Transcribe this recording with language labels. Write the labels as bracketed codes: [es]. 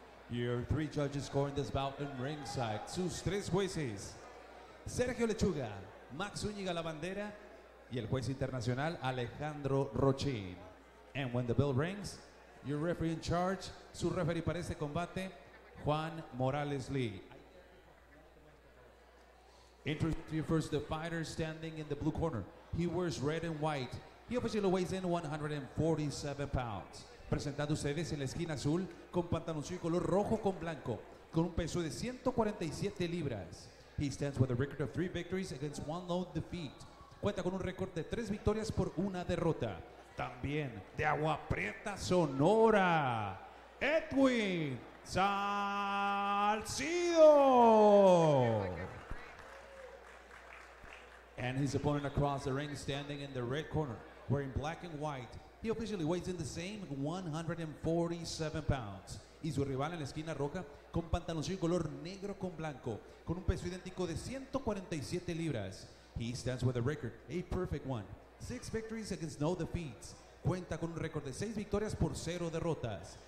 [en] Your 3 judges scoring this bout in ringside. [es] Sus 3 jueces, Sergio Lechuga, Max Zúñiga La Bandera, y el juez internacional, Alejandro Rochin. [en] And when the bell rings, your referee in charge, [es] su referee para este combate, [en] Juan Morales Lee. Introduce you first the fighter standing in the blue corner. He wears red and white. He officially weighs in 147 pounds. [es] Presentando ustedes en la esquina azul con pantaloncillo color rojo con blanco con un peso de 147 libras. [en] He stands with a record of 3 victories against 1 lone defeat. [es] Cuenta con un récord de 3 victorias por una derrota. También de Agua Prieta, Sonora, Edwin Salcido. [en] And his opponent across the ring, standing in the red corner, wearing black and white. He officially weighs in the same 147 pounds. [es] Y su rival en la esquina roja, con pantaloncillo color negro con blanco, con un peso idéntico de 147 libras. [en] He stands with a record, a perfect one. 6 victories against no defeats. [es] Cuenta con un récord de 6 victorias por 0 derrotas.